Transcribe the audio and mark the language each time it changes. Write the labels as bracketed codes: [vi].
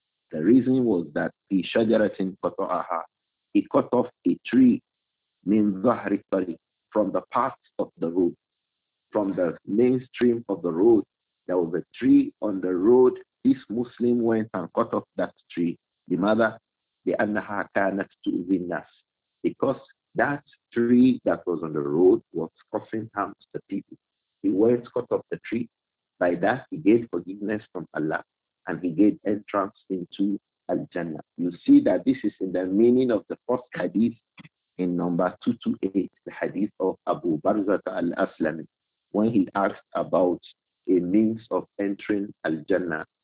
[en] The reason was that [ar] في شَجَرَةٍ قَطَعَهَا. [en] He cut off a tree [ar] min zahri tariq, [en] from the path of the road, from the mainstream of the road. There was a tree on the road. This Muslim went and cut off that tree. [ar] لماذا؟ لأنها كانت تؤذي الناس. [en] Because that tree that was on the road was causing harm to the people. He went cut off the tree. By that, he gained forgiveness from Allah and he gained entrance into Al-Jannah. You see that this is in the meaning of the first hadith in number 228, the hadith of Abu Barzata Al-Aslami, when he asked about a means of entering Al-Jannah.